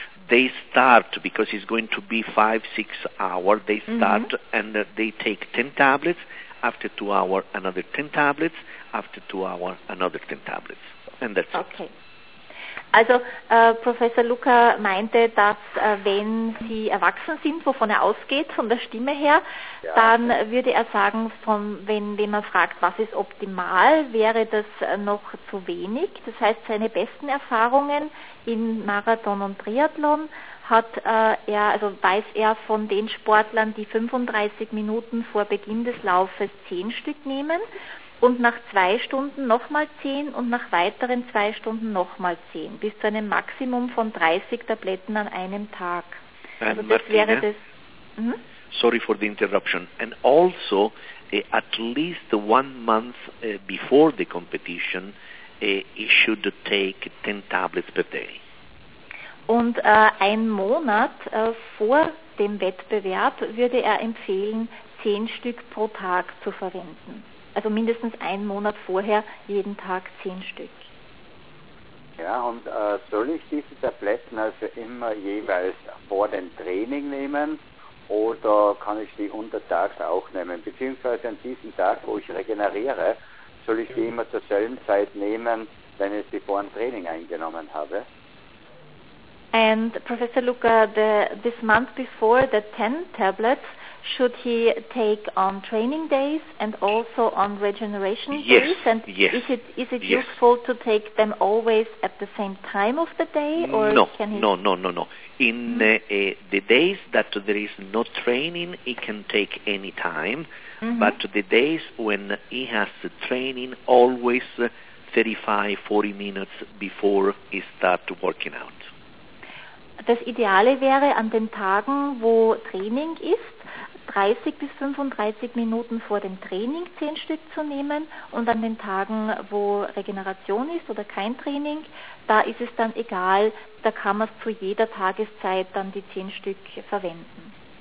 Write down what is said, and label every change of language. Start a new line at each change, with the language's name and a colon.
English: They start, because it's going to be 5-6 hours, they start and they take 10 tablets, after 2 hours another 10 tablets, after 2 hours another 10 tablets. And that's okay.
German: Also Professor Luca meinte, dass wenn Sie erwachsen sind, wovon er ausgeht, von der Stimme her, ja, dann würde er sagen, wenn man fragt, was ist optimal, wäre das noch zu wenig. Das heißt, seine besten Erfahrungen in Marathon und Triathlon weiß er von den Sportlern, die 35 Minuten vor Beginn des Laufes 10 Stück nehmen. Und nach 2 Stunden nochmal 10 und nach weiteren 2 Stunden nochmal 10, bis zu einem Maximum von 30 Tabletten an einem Tag. Also das Martina, wäre das.
English: Sorry for the interruption. And also, at least 1 month before the competition, he should take 10 tablets per day.
German: Und ein Monat vor dem Wettbewerb würde er empfehlen, 10 Stück pro Tag zu verwenden. Also mindestens einen Monat vorher jeden Tag 10 Stück. Ja, und soll ich diese Tabletten also immer jeweils vor dem Training nehmen oder kann ich die untertags auch nehmen? Beziehungsweise an diesem Tag, wo ich regeneriere, soll ich die immer zur selben Zeit nehmen, wenn ich sie vor dem Training eingenommen habe?
English: And Professor Luca, this month before the 10 tablets, should he take on training days and also on regeneration days? Yes, and yes, is it useful to take them always at the same time of the day? Or no, can he no. In the days that there is no training, he can take any time. Mm-hmm. But the days when he has the training, always 35-40 minutes before he starts working out.
German: Das Ideale wäre an den Tagen, wo Training ist, 30 bis 35 Minuten vor dem Training 10 Stück zu nehmen und an den Tagen, wo Regeneration ist oder kein Training, da ist es dann egal, da kann man es zu jeder Tageszeit dann die 10 Stück verwenden.